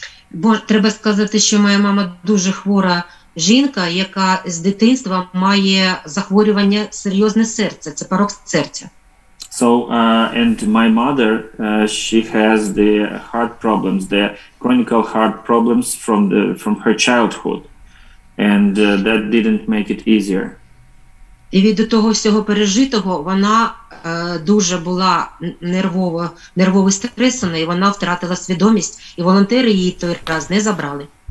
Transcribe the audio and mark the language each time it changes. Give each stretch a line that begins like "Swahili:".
Ukrainian: Бо треба сказати, що моя мама дуже хвора жінка, яка з дитинства має захворювання серйозне серце, це парок серця.
English: So, and my mother, she has the heart problems, the chronic heart problems from her childhood. And that didn't make it easier.
Ukrainian: І від того всього пережитого, вона дуже була нервово стресована, і вона втратила свідомість, і волонтери її той раз не забрали.